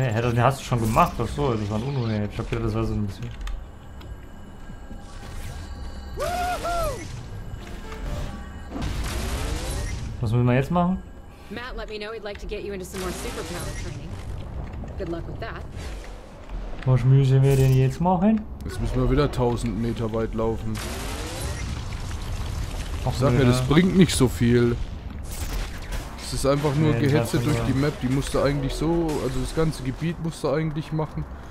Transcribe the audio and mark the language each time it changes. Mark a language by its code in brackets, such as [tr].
[de] Hä, den hast du schon gemacht? Achso, das war ein Unruhe. Ich hab gedacht, das war so ein bisschen. Was müssen wir jetzt machen? [en] Matt, let me know he'd like to get you into some more superpower training. Good luck with that. [de] Was müssen wir denn jetzt machen? Jetzt müssen wir wieder 1000 Meter weit laufen. Ach, sag mir, das bringt nicht so viel. ist einfach nur gehetzt durch die Map. Die musst du eigentlich so, also das ganze Gebiet musst du eigentlich machen.